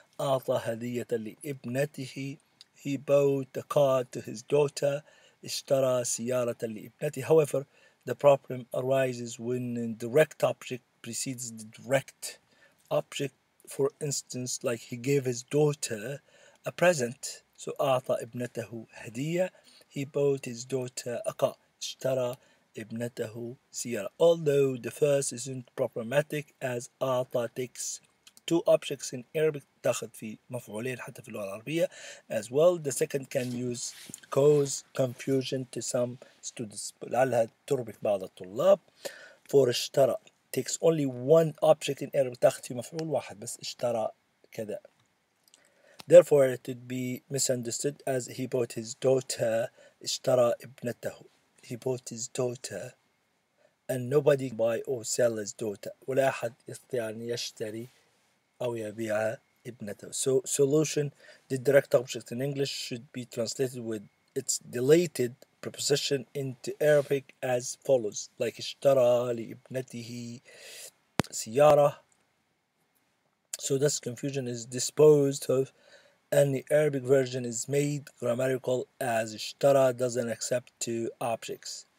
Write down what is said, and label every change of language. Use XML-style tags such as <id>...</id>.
<ar>أعطى هدية لابنته.</ar> <en>He bought a car to his daughter.</en> <ar>اشترى سيارة لابنته.</ar> <en>However, the problem arises when an indirect object precedes the direct object. For instance, like he gave his daughter a present.</en> <ar>So أعطى ابنته هدية.</ar> <en>He bought his daughter a car.</en> <ar>اشترى ابنته سيارة.</ar> <en>Although the first isn't problematic as أعطى takes two objects in Arabic</en> <ar>تأخذ في مفعولين حتى في اللغة العربية</ar> <en>as well. The second can use cause confusion to some students.</en> <ar>لعلها تربك بعض الطلاب. For اشترى</ar> <en>takes only one object in Arabic</en> <ar>تأخذ في مفعول واحد بس اشترى كذا.</ar> <en>Therefore it would be misunderstood as he bought his daughter</en> <ar>اشترى ابنته.</ar> <en>He bought his daughter, and nobody buy or sell his daughter.</en> <ar>ولا أحد يستطيع أن يشتري أو يبيع ابنته.</ar> <en>So solution: the direct object in English should be translated with its deleted preposition into Arabic as follows: like</en> <ar>اشترى لابنته سيارة.</ar> <en>So thus confusion is disposed of. And the Arabic version is made grammatical as اشترى doesn't accept two objects.</en>